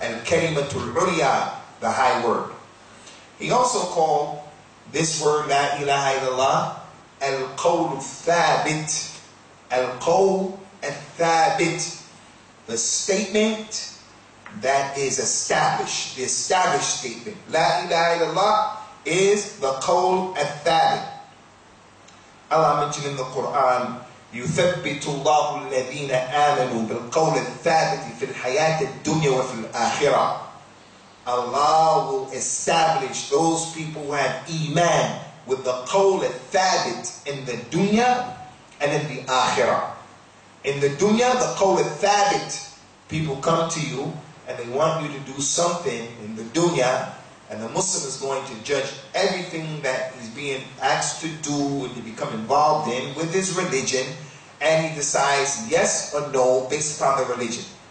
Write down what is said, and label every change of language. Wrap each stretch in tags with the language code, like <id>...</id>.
<en>Al-Kalimatul Uliya. The high word. He also called this word, La ilaha illallah, Al-Qawl Thabit. Al-Qawl Thabit. The statement that is established. The established statement. La ilaha illallah is the Qawl Thabit. Allah mentioned in the Quran,</en> <ar>يُثَبِّتُ اللَّهُ الَّذِينَ آمَنُوا بِالْقَوْلِ الثَّابِتِ فِي الْحَيَاةِ الدُّنْيَا وَفِي الْآخِرَةِ.</ar> <en>Allah will establish those people who have iman with the qawl al-thabit in the dunya and in the akhirah. In the dunya, the qawl al-thabit, people come to you and they want you to do something in the dunya, and the Muslim is going to judge everything that he's being asked to do and to become involved in with his religion, and he decides yes or no based upon the religion.</en>